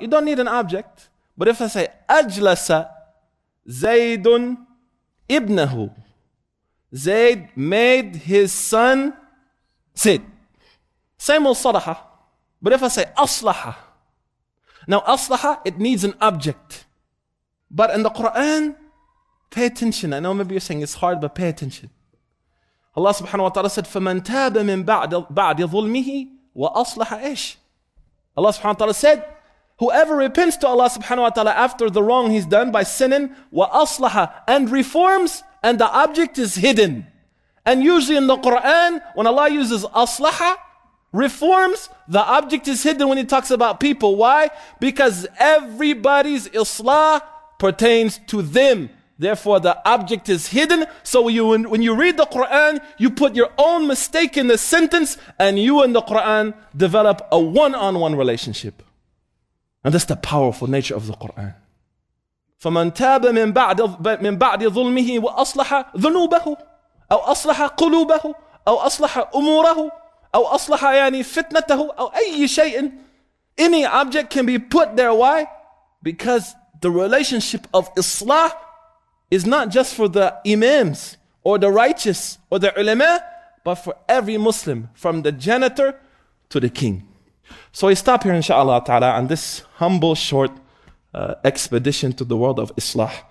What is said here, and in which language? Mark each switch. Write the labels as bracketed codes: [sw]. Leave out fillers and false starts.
[en] You don't need an object. But if I say, [ar] Ajlasa Zaydun Ibnahu, [en] Zayd made his son sit. Same with Salaha. But if I say, Aslaha. Now, Aslaha, it needs an object. But in the Quran, pay attention. I know maybe you're saying it's hard, but pay attention. Allah subhanahu wa ta'ala said, [ar] فَمَنْ تَابَ مِنْ بَعْدِ ظُلْمِهِ وَأَصْلَحَ إِشْ. [en] Allah subhanahu wa ta'ala said, whoever repents to Allah subhanahu wa ta'ala after the wrong he's done by sinning, وَأَصْلَحَ, and reforms, and the object is hidden. And usually in the Quran, when Allah uses أَصْلَحَ, reforms, the object is hidden when he talks about people. Why? Because everybody's islah pertains to them. Therefore, the object is hidden. So when you read the Quran, you put your own mistake in the sentence and you and the Quran develop a one-on-one relationship. And that's the powerful nature of the Quran. [ar] فَمَنْ تَابَ مِنْ بَعْدِ ظُلْمِهِ وَأَصْلَحَ ذُنُوبَهُ أَوْ أَصْلَحَ قُلُوبَهُ أَوْ أَصْلَحَ أُمُورَهُ أَوْ أَصْلَحَ يعني فِتْنَتَهُ أَوْ أَيِّ شَيْءٍ. [en] Any object can be put there. Why? Because the relationship of Islah is not just for the imams or the righteous or the ulama, but for every Muslim, from the janitor to the king. So we stop here inshallah ta'ala on this humble short expedition to the world of Islah.